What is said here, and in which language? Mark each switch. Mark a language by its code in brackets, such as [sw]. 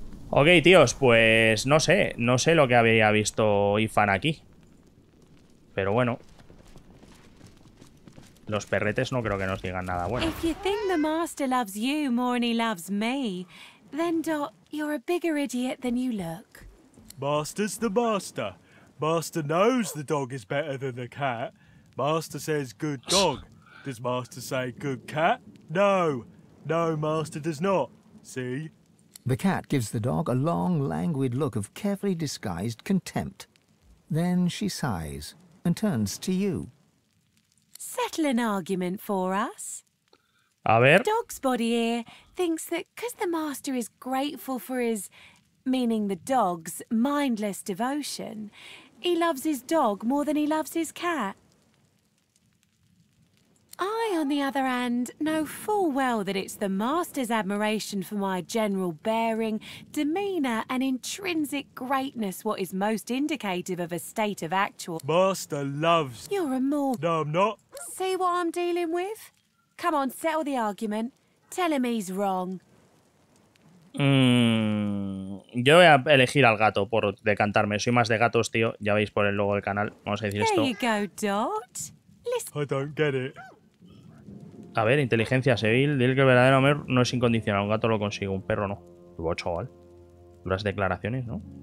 [es] Ok, tíos, pues no sé. No sé lo que había visto Ifan aquí. Pero bueno. Los perretes no creo que nos digan nada bueno. Si crees que el maestro te ama más que me ama, entonces, Dot, eres un más idiota que te ves. Maestro es el maestro. [en] Master knows the dog is better than the cat. Master says good dog. Does Master say good cat? No. No, Master does not. See? The cat gives the dog a long, languid look of carefully disguised contempt. Then she sighs and turns to you. Settle an argument for us. [es] A ver. [en] The dog's body here thinks that because the master is grateful for his, meaning the dog's, mindless devotion, he loves his dog more than he loves his cat. I, on the other hand, know full well that it's the master's admiration for my general bearing, demeanour and intrinsic greatness what is most indicative of a state of actual... Master loves... You're a mortal. No, I'm not. See what I'm dealing with? Come on, settle the argument. Tell him he's wrong. [es] Yo voy a elegir al gato por decantarme. Soy más de gatos, tío. Ya veis por el logo del canal. Vamos a decir [en] There [es] esto. [en] There you go, Dot. Listen. I don't get it. [es] A ver, inteligencia civil. Dile que el verdadero amor no es incondicional. Un gato lo consigue, un perro no. Luego, chaval. Duras declaraciones, ¿no?